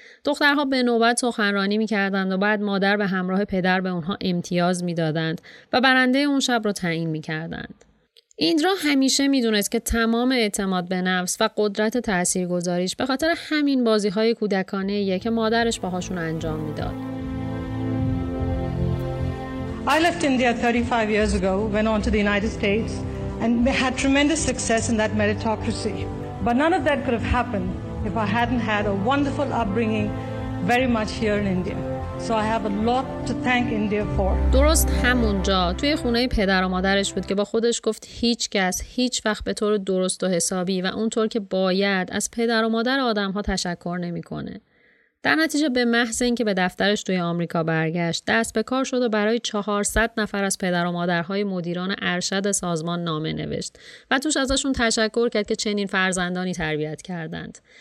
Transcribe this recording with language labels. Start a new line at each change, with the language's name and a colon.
Persian: دخترها به نوبت سخنرانی می‌کردند و بعد مادر به همراه پدر به اونها امتیاز می‌دادند و برنده اون شب رو تعیین می‌کردند. ایندرا همیشه می‌دونست که تمام اعتماد به نفس و قدرت تأثیرگذاریش به خاطر همین بازی‌های کودکانه ایه که مادرش باهاشون انجام می‌داد.
English: I left India 35 years ago, went on to the United States and had tremendous success in that meritocracy. But none of that could have happened if I hadn't had a wonderful upbringing very much here in India. So I have a lot to thank India for.
Persian: درست همونجا توی خونه پدر و مادرش بود که با خودش گفت هیچ کس هیچ وقت به طور درست و حسابی و اونطور که باید از پدر و مادر آدم‌ها تشکر نمی‌کنه. در نتیجه به محض اینکه به دفترش توی آمریکا برگشت، دست به کار شد و برای 400 نفر از پدر و مادرهای مدیران ارشد سازمان نامه نوشت و توش ازشون تشکر کرد که چنین فرزندانی تربیت کردند.